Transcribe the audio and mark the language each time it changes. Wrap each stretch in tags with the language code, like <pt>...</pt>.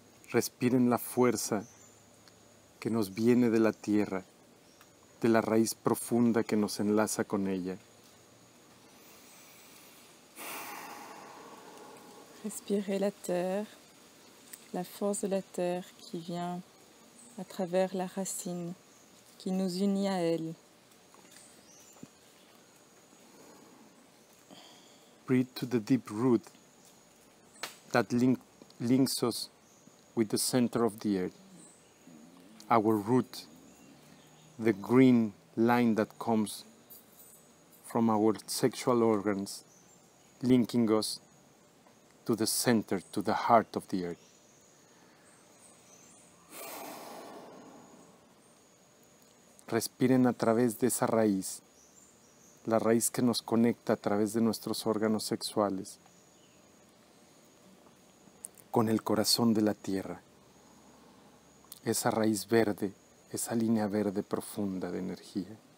<es>Respiren la fuerza que nos viene de la tierra, de la raíz profunda que nos enlaza con ella.</es> <fr>Respirez la terre, la force de la terre qui vient à travers la racine qui nous unit à elle.</fr> <en>Breathe to the deep root that links us with the center of the earth. Our root, the green line that comes from our sexual organs, linking us to the center, to the heart of the earth.</en> <es>Respiren a través de esa raíz, la raíz que nos conecta a través de nuestros órganos sexuales con el corazón de la tierra. Esa raíz verde, esa línea verde profunda de energía.</es>